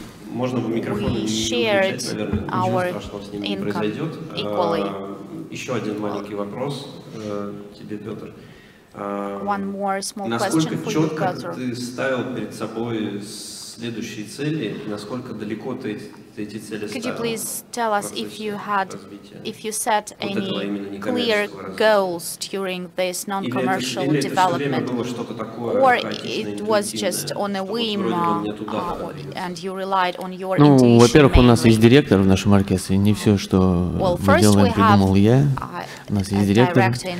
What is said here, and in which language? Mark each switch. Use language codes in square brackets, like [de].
[ru] Можно бы микрофон не выключать, наверное, ничего страшного с ними не произойдет. Еще один маленький вопрос тебе, Петр. Насколько четко ты ставил перед собой следующие цели, насколько далеко ты эти цели ставил? [en] Could you please tell us if you had, if you set any clear goals during this non-commercial development, or it was just on a whim, and you relied on your intuition? [ru] Ну, во-первых, у нас есть директор в нашем оркестре, не все, что мы делаем, придумал я. У нас есть директор.